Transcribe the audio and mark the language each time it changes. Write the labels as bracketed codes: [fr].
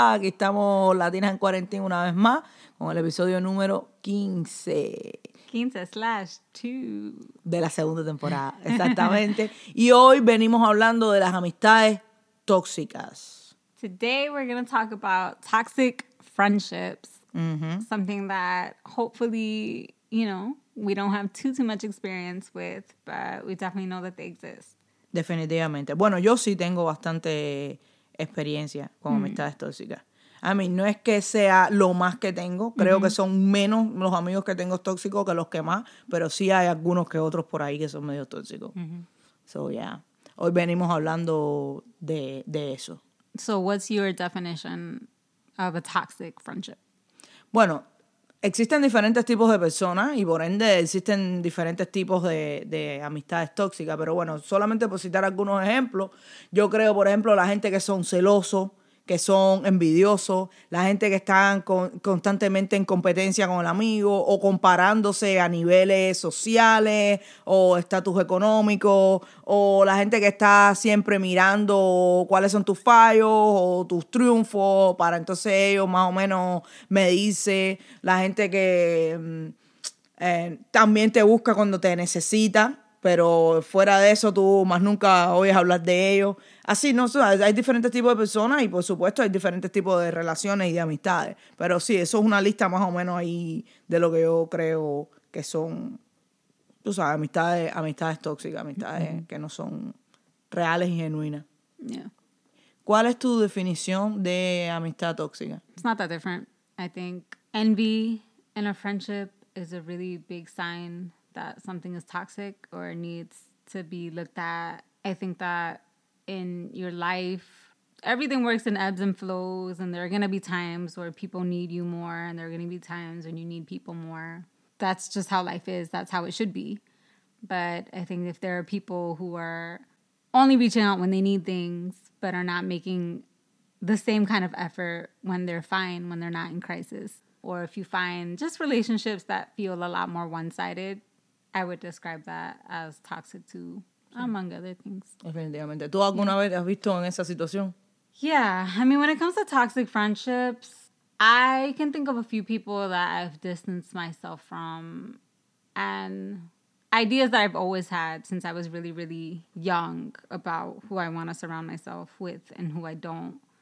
[es] Estamos Latinas en Cuarentena una vez más con el episodio número 15. 15/2. De la segunda temporada, exactamente. Y hoy venimos hablando de las amistades tóxicas. [en] Today we're going to talk about toxic friendships. Mm-hmm. Something that hopefully, you know, we don't have too much experience with, but we definitely know that they exist. [es] Definitivamente. Bueno, yo sí tengo bastante experiencia con amistades tóxicas. A mí, no es que sea lo más que tengo. Creo que son menos los amigos que tengo tóxicos que los que más. Pero sí hay algunos que otros por ahí que son medio tóxicos. Mm-hmm. [en] So, yeah. [es] Hoy venimos hablando de eso. [en] So, what's your definition of a toxic friendship? [es] Bueno, existen diferentes tipos de personas y por ende existen diferentes tipos de amistades tóxicas. Pero bueno, solamente por citar algunos ejemplos. Yo creo, por ejemplo, la gente que son celosos, que son envidiosos, la gente que está constantemente en competencia con el amigo o comparándose a niveles sociales o estatus económico, o la gente que está siempre mirando cuáles son tus fallos o tus triunfos para entonces ellos más o menos medirse, la gente que también te busca cuando te necesita, pero fuera de eso tú más nunca oyes hablar de ellos. Así, no, hay diferentes tipos de personas y, por supuesto, hay diferentes tipos de relaciones y de amistades. Pero sí, eso es una lista más o menos ahí de lo que yo creo que son, tú sabes, amistades tóxicas, amistades que no son reales y genuinas. [en] Yeah. [es] ¿Cuál es tu definición de amistad tóxica? [en] It's not that different. I think envy in a friendship is a really big sign that something is toxic or needs to be looked at. I think that in your life, everything works in ebbs and flows, and there are going to be times where people need you more, and there are going to be times when you need people more. That's just how life is. That's how it should be. But I think if there are people who are only reaching out when they need things but are not making the same kind of effort when they're fine, when they're not in crisis, or if you find just relationships that feel a lot more one-sided, I would describe that as toxic too. Among other things. [es] Definitivamente. ¿Tú alguna vez has visto en esa situación? [en] Yeah. I mean, when it comes to toxic friendships, I can think of a few people that I've distanced myself from and ideas that I've always had since I was really, really young about who I want to surround myself with and who I don't.